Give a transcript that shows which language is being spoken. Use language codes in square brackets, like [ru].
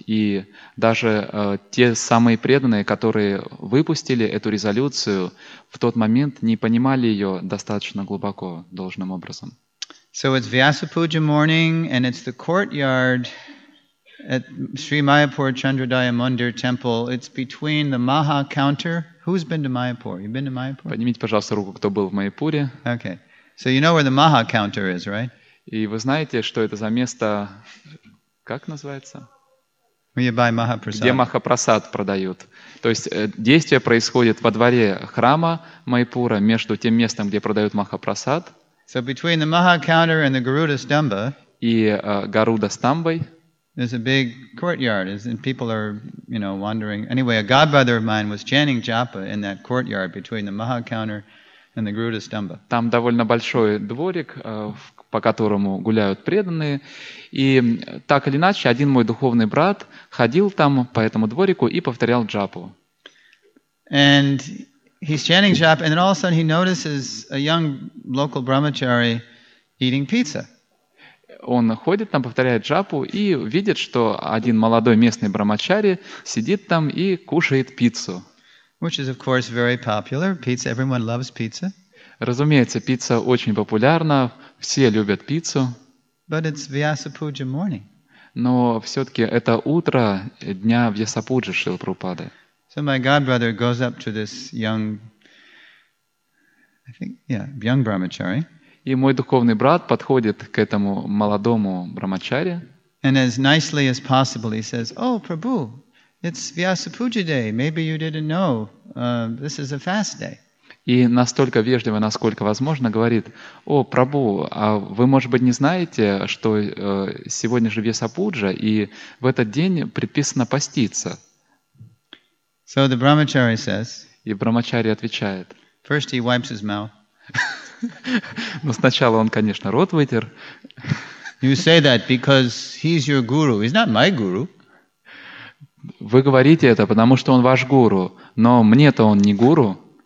[ru] И даже те самые преданные, которые выпустили эту резолюцию, в тот момент не понимали ее достаточно глубоко, должным образом. [en] So it's Vyasa Puja morning, and it's the courtyard at Sri Mayapur Chandradaya Mundir Temple. It's between the Maha counter. Who's been to Mayapur? You've been to Mayapur? [ru] Поднимите, пожалуйста, руку, кто был в Майяпуре. [en] Okay. So you know where the Maha counter is, right? [ru] И вы знаете, что это за место, как называется? Где Махапрасад продают. То есть действие происходит во дворе храма Майпура, между тем местом, где продают Махапрасад. [en] So between the Maha counter and the Garuda Stamba, [ru] и Garuda Stambai, [en] there's a big courtyard, and people are, you know, wandering. Anyway, a godbrother of mine was chanting japa in that courtyard between the Maha counter and the Garuda Stamba. [ru] Там довольно большой дворик, по которому гуляют преданные. И так или иначе, один мой духовный брат ходил там по этому дворику и повторял джапу. [en] And he's chanting japa, and then all of a sudden he notices a young local brahmachari eating pizza. [ru] Он ходит там, повторяет джапу, и видит, что один молодой местный брамачари сидит там и кушает пиццу. [en] Which is, of course, very popular. Pizza, everyone loves pizza. [ru] Разумеется, пицца очень популярна, все любят пиццу. [en] But it's Vyasapuja morning. [ru] Но все-таки это утро дня Вьясапуджи Шрилы Прабхупады. [en] So my godbrother goes up to this young, I think, yeah, young brahmachari. [ru] И мой духовный брат подходит к этому молодому брамачари. [en] And as nicely as possible, he says, "Oh, Prabhu, it's Vyasapuja day. Maybe you didn't know. This is a fast day." [ru] И настолько вежливо, насколько возможно, говорит: "О, Прабу, а вы, может быть, не знаете, что сегодня же Вьясапуджа, и в этот день предписано поститься?" [en] So the brahmachari says. [ru] И брамачари отвечает. [en] First he wipes his mouth. [ru] Но сначала он, конечно, рот вытер. [en] You say that because he's your guru. He's not my guru. [ru] Вы говорите это, потому что он ваш гуру, но мне-то он не гуру.